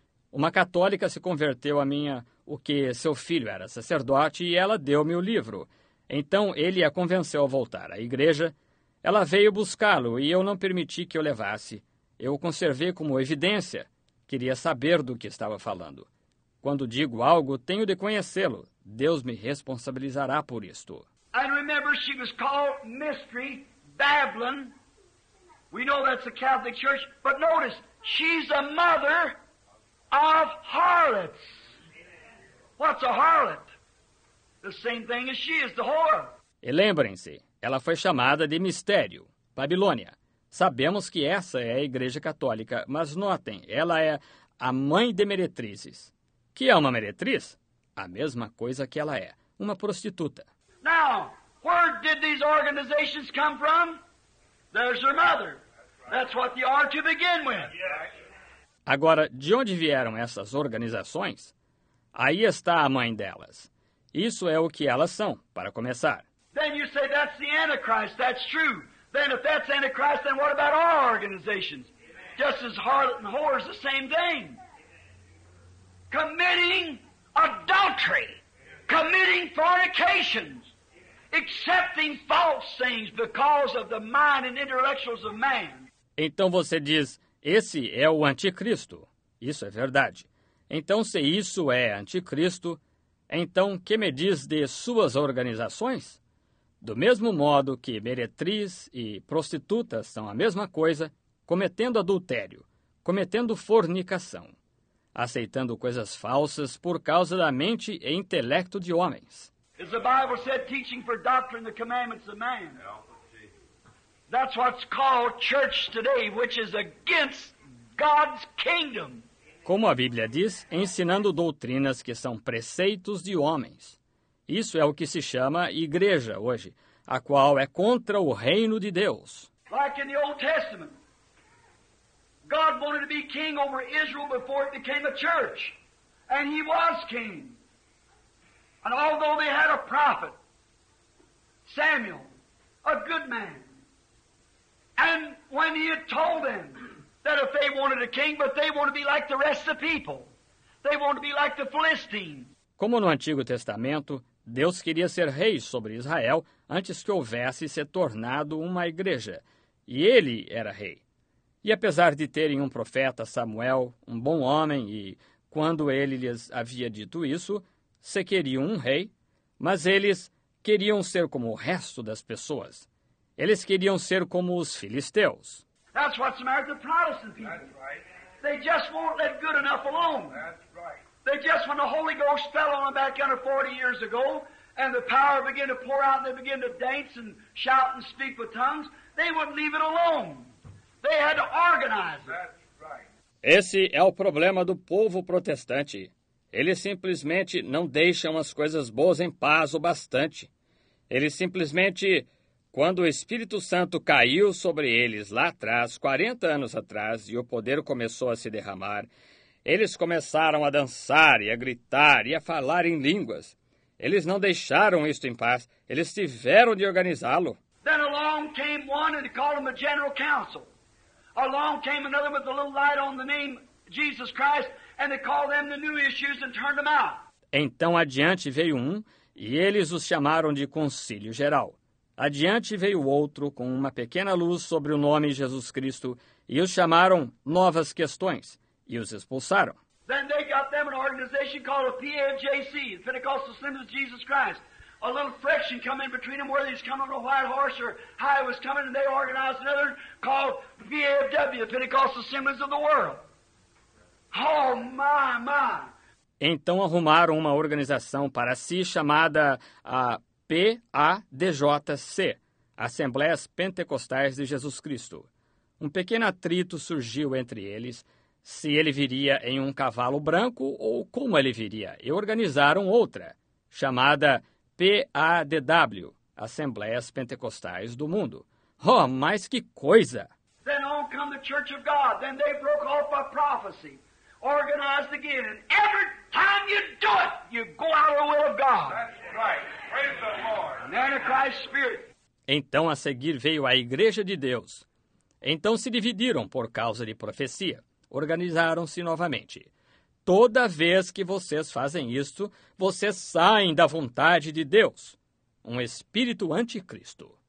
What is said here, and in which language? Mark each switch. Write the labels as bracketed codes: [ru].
[pt] Uma católica se converteu a minha, o que seu filho era sacerdote, e ela deu-me o livro. Então ele a convenceu a voltar à igreja. Ela veio buscá-lo e eu não permiti que o levasse. Eu o conservei como evidência. Queria saber do que estava falando. Quando digo algo, tenho de conhecê-lo. Deus me responsabilizará por isto. [en] And remember, she was called Mystery Babylon. We know that's the Catholic Church. But notice, she's a mother of harlots. What's a harlot? The same thing as she is, the whore. [pt] E lembrem-se, ela foi chamada de Mistério, Babilônia. Sabemos que essa é a Igreja Católica, mas notem, ela é a mãe de meretrizes. Que é uma meretriz? A mesma coisa que ela é, uma prostituta. [en] Now, where did these organizations come from? There's her mother. That's what they are to begin with. [pt] Agora, de onde vieram essas organizações? Aí está a mãe delas. Isso é o que elas são, para começar. [en] Then you say that's the Antichrist. That's true. Then if that's Antichrist, then what about our organizations? Amen. Just as harlot and whore is the same thing. Committing adultery. Committing fornications, accepting false things because of the mind and intellectuals of man. [pt] Então você diz, esse é o anticristo. Isso é verdade. Então se isso é anticristo, então que me diz de suas organizações? Do mesmo modo que meretriz e prostituta são a mesma coisa, cometendo adultério, cometendo fornicação. Aceitando coisas falsas por causa da mente e intelecto de homens. [en] As the Bible said, teaching for doctrine the commandments of man. That's what's called church today, which is against God's kingdom. [pt] Como a Bíblia diz, ensinando doutrinas que são preceitos de homens. Isso é o que se chama igreja hoje, a qual é contra o reino de Deus. [en] Like in the Old Testament. God wanted to be king over Israel before it became a church. And he was king. And although they had a prophet, Samuel, a good man, And when he had told them that if they wanted a king, but they want to be like the rest of the people, they want to be like the Philistines. [pt] Como no Antigo Testamento, Deus queria ser rei sobre Israel antes que houvesse se tornado uma igreja, e ele era rei. E apesar de terem um profeta, Samuel, um bom homem, e quando ele lhes havia dito isso, se queriam um rei, mas eles queriam ser como o resto das pessoas. Eles queriam ser como os filisteus. [en] That's what's the matter with the Protestant people. That's right. They just won't let good enough alone. That's right. They just, when the Holy Ghost fell on them back under 40 years ago, and the power began to pour out, and they began to dance and shout and speak with tongues, they wouldn't leave it alone. They had to organize it. That's right. [pt] Esse é o problema do povo protestante. Eles simplesmente não deixam as coisas boas em paz o bastante. Eles simplesmente, quando o Espírito Santo caiu sobre eles lá atrás, 40 anos atrás, e o poder começou a se derramar, eles começaram a dançar e a gritar e a falar em línguas. Eles não deixaram isto em paz, eles tiveram de organizá-lo. [en] Then along came one and called him a general council. Along came another with a little light on the name Jesus Christ, and they called them the new issues and turned them out. [pt] Então adiante veio um, e eles os chamaram de Conselho Geral. Adiante veio outro com uma pequena luz sobre o nome Jesus Cristo e os chamaram Novas Questões e os expulsaram. [en] Then they got them an organization called a PAJC, the Pentecostal Assembly of Jesus Christ. A little friction come in between them, whether he's coming on a white horse or how he was coming, and they organized another called VAFW, Pentecostal Assemblies of the World. Oh, my, my! [pt] Então arrumaram uma organização para si chamada a PADJC, Assembleias Pentecostais de Jesus Cristo. Um pequeno atrito surgiu entre eles, se ele viria em um cavalo branco ou como ele viria, e organizaram outra, chamada PADW, Assembleias Pentecostais do Mundo. Oh, mas que coisa! [en] Then on come the Church of God, then they broke off a prophecy, organized again, and every time you do it, you go out of the will of God. That's right. Praise the Lord. An Antichrist spirit. [pt] Então a seguir veio a Igreja de Deus. Então se dividiram por causa de profecia. Organizaram-se novamente. Toda vez que vocês fazem isto, vocês saem da vontade de Deus. Um espírito anticristo.